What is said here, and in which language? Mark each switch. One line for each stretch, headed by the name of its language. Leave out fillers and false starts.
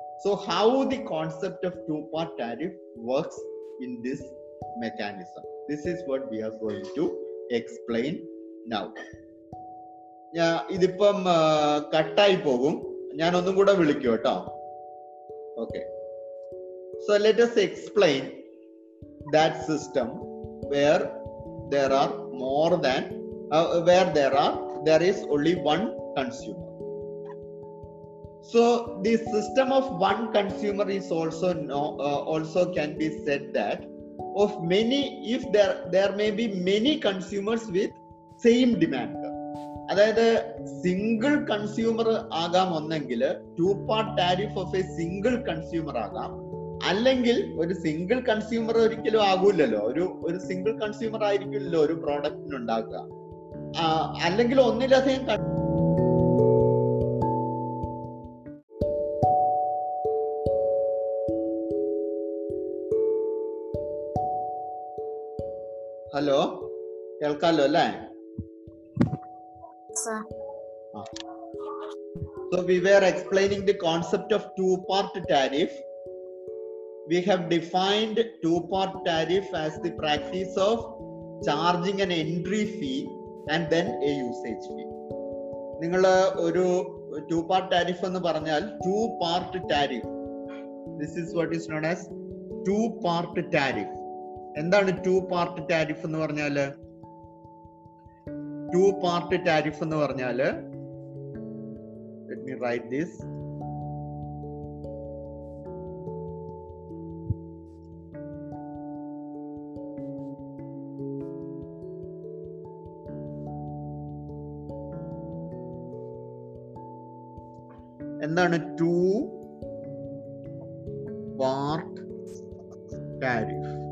English: So how the concept of two party tariff works in this mechanism, this is what we are going to explain now.
Malayalam: ഞാൻ ഇതിപ്പം കട്ടായി പോകും, ഞാൻ ഒന്നും കൂടെ വിളിക്കും കേട്ടോ.
English: Okay, so let us explain that system where there are more than where there is only one consumer. So the system of one consumer is also also can be said that of many, if there may be many consumers with same demand.
Malayalam: അതായത് single consumer ആകാം ഒന്നെങ്കിൽ, to part tariff of A single consumer ആകാം, അല്ലെങ്കിൽ ഒരു single consumer ഒരിക്കലും ആകൂലല്ലോ, ഒരു ഒരു single consumer ആയിരിക്കില്ലല്ലോ ഒരു പ്രോഡക്റ്റിന് ഉണ്ടാക്കുക, അല്ലെങ്കിൽ ഒന്നിലധികം ഹലോ കേൾക്കാലോ അല്ലേ.
English: So we were explaining the concept of two-part tariff. We have defined two-part tariff as the practice of charging an entry fee and then a usage fee.
Malayalam: നിങ്ങള് ഒരു two-part tariff എന്ന് പറഞ്ഞാൽ two-part tariff.
English: This is what is known as two-part tariff.
Malayalam: എന്താണ് two-part tariff എന്ന് പറഞ്ഞാല്?
English: Two part tariff
Malayalam: എന്ന് പറഞ്ഞാൽ,
English: let me write this,
Malayalam: എന്താണ്
English: two part tariff?